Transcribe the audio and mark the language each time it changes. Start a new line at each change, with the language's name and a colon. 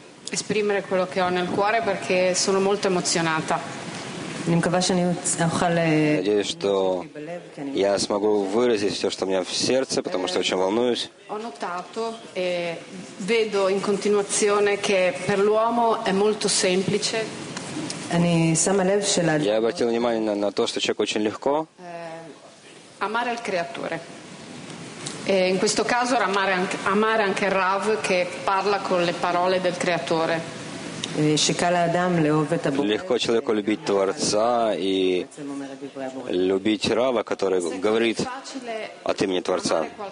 Italian: Esprimere quello che ho nel cuore perché sono molto emozionata.
Russian: Надеюсь, что я смогу выразить все, что у меня в сердце, потому что очень волнуюсь.
Italian: Ho notato e vedo in continuazione che per l'uomo è molto semplice.
Russian: Я обратил внимание на то, что человек очень легко
Italian: amare il creatore. E in questo caso amare anche Rav che parla con le parole del creatore.
Russian: Легко человеку любить Творца и любить Рава, который говорит от имени Творца.